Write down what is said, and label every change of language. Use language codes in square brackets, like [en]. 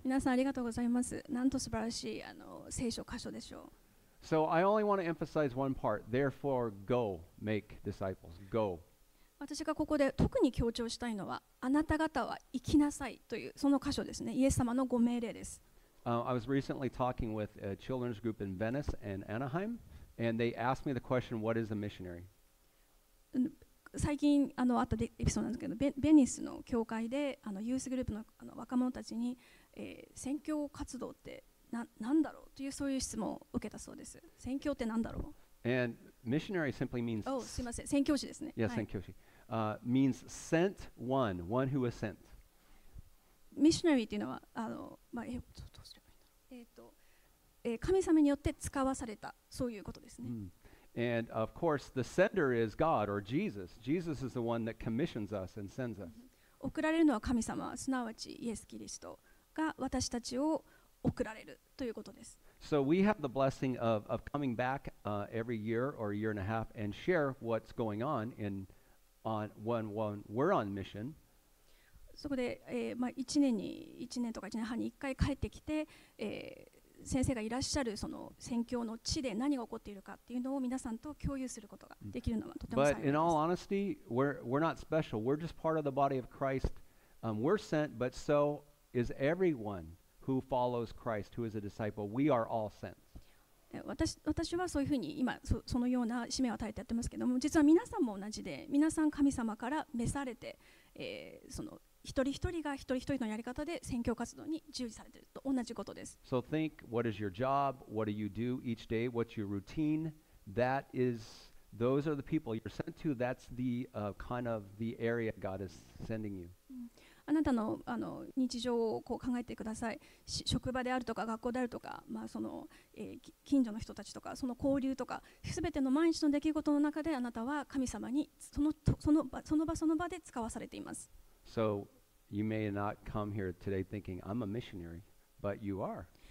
[ja] 皆さんありがとうございます。なんと素晴らしいあの聖書箇所でしょう。 [en] So I only want to emphasize one part. Therefore, go make disciples. Go. [ja] 私がここで特に強調したいのは、あなた方は行きなさいというその箇所ですね。イエス様のご命令です。 [en] I was recently talking with a children's group in Venice and Anaheim, and they asked me the question, "What is a missionary?" [ja] 最近あのあったエピソードなんですけど、ベニスの教会であのユースグループ の, あの若者たちに、宣教活動って何だろうというそういう質問を受けたそうです。宣教って何だろう。 [en] And missionary simply means、 [ja] oh, すいません、宣教師ですね。 [en] Yes,、yeah, [ja] 宣教師、はい、 [en] means sent one, one who was sent. [ja] Missionary っていうのはあの、まあ、どうすればいいんだろう、神様によって使わされたそういうことですね、mm. [en] And of course, the sender is God or Jesus. Jesus is the one that commissions us and sends us. [ja] 送られるのは神様、すなわちイエス・キリストが私たちを送られるということです。 [en] So we have the blessing of coming back every year or a year and a half and share what's going on when we're on mission. [ja] そこで、まあ、1年とか1年半に1回帰ってきて、先生がいらっしゃるその宣教の地で何が起こっているかっていうのを皆さんと共有することができるのはとても幸いです。 [en] But in all honesty, we're not special. We're just part of the body of Christ. We're sent, but so is everyone who follows Christ, who is a disciple. We are all sent. [ja] 私はそういうふうに今 そのような使命を与えてやってますけども、実は皆さんも同じで、皆さん神様から召されて、その一人一人が一人一人のやり方で宣教活動に従事されていると同じことです。 [en] So think, what is your job? What do you do each day? What's your routine? That is, those are the people you're sent to. That's the kind of the area God is sending you. [ja] あなたの、あの日常をこう考えてください。職場であるとか学校であるとか、まあその、近所の人たちとか、その交流とか、すべての毎日の出来事の中であなたは神様にその場で使わされています。 [en] So you may not come here today thinking I'm a missionary, but you are.